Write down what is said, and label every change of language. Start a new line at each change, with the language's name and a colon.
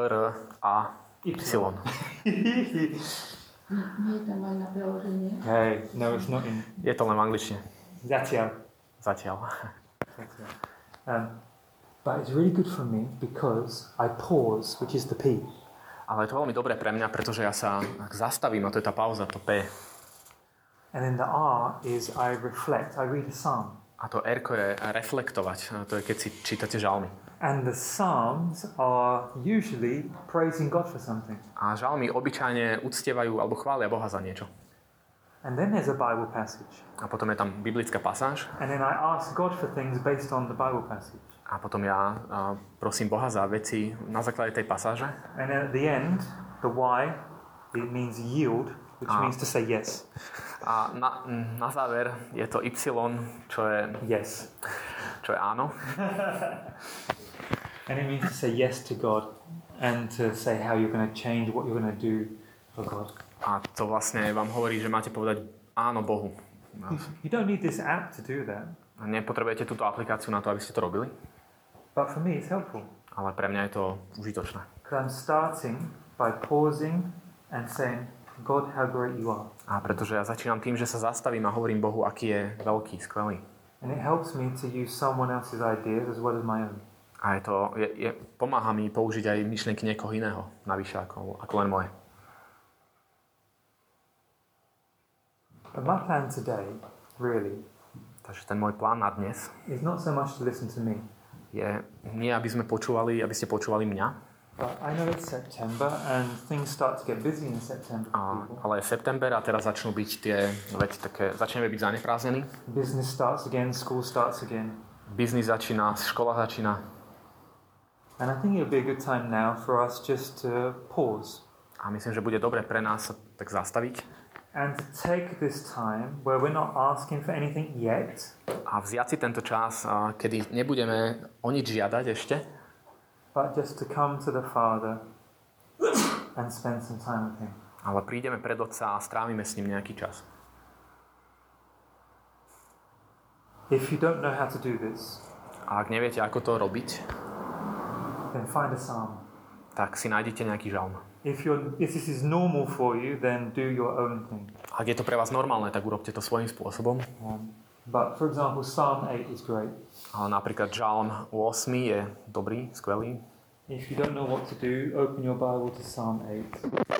English: P-R-A-Y. P-R-A-Y.
Slovak: Nie je tam aj na preloženie.
English: Hey, no, it's not in...
Slovak: Je to len v angličtine. Zatiaľ. Zatiaľ.
English: But it's really good for me because I pause, which is the P.
Slovak: Ale je to veľmi dobré pre mňa, pretože ja sa zastavím, a to je tá pauza, to P.
English: And then the R is I reflect, I read a psalm.
Slovak: A to R-ko je reflektovať, to je keď si čítate žalmy.
English: And the psalms are usually praising God for something.
Slovak: A žalmy obyčajne uctievajú alebo chvália Boha za niečo.
English: And then there's a Bible passage.
Slovak: A potom je tam biblická pasáž.
English: And then I ask God for things based on the Bible passage.
Slovak: A potom ja prosím Boha za veci na základe tej pasáže.
English: And at the end, the Y, it means yield, which means to say yes.
Slovak: A na záver je to Y, čo je...
English: Yes.
Slovak: Čo je áno.
English: And it means to say yes to God and to say how you're going to change, what you're going to do for God.
Slovak: A to vlastne vám hovorí, že máte povedať áno Bohu.
English: You don't need this app to do that.
Slovak: A nepotrebujete túto aplikáciu na to, aby ste to robili.
English: But for me it's helpful.
Slovak: Ale pre mňa je to užitočné.
English: I'm starting by pausing and saying, God, how great you are.
Slovak: A pretože ja začínam tým, že sa zastavím a hovorím Bohu, aký je veľký, skvelý.
English: And it helps me to use someone else's ideas as well as my own.
Slovak: A je to, pomáha mi použiť aj myšlienky niekoho iného, navyše ako len moje.
English: But my plan today, really,
Slovak: takže ten môj plán na dnes
English: is not so much to listen to me.
Slovak: Je nie, aby ste počúvali mňa.
English: But I know it's September and things start to get busy in September.
Slovak: Ale je september a teraz začnú byť tie veci také, začneme byť zaneprázdnení.
English: Business starts again, school starts again.
Slovak: Biznis začína, škola začína.
English: And I think it'll be a good time now for us just to pause.
Slovak: A myslím, že bude dobre pre nás tak zastaviť.
English: And to take this time where we're not asking for anything yet.
Slovak: A vziať si tento čas, kedy nebudeme o nič žiadať ešte.
English: But just to come to the Father and spend some time with him.
Slovak: Ale prídeme pred Otca a strávime s ním nejaký čas.
English: If you don't know how to do this,
Slovak: a ak neviete, ako to robiť,
English: then find a psalm.
Slovak: Tak si nájdete nejaký žalm.
English: If this is normal for you, then do your own thing.
Slovak: Ak je to pre vás normálne, tak urobte to svojím spôsobom.
English: But for example, Psalm 8 is great.
Slovak: Ale napríklad Žalm 8 je dobrý, skvelý.
English: If you don't know what to do, open your Bible to Psalm 8.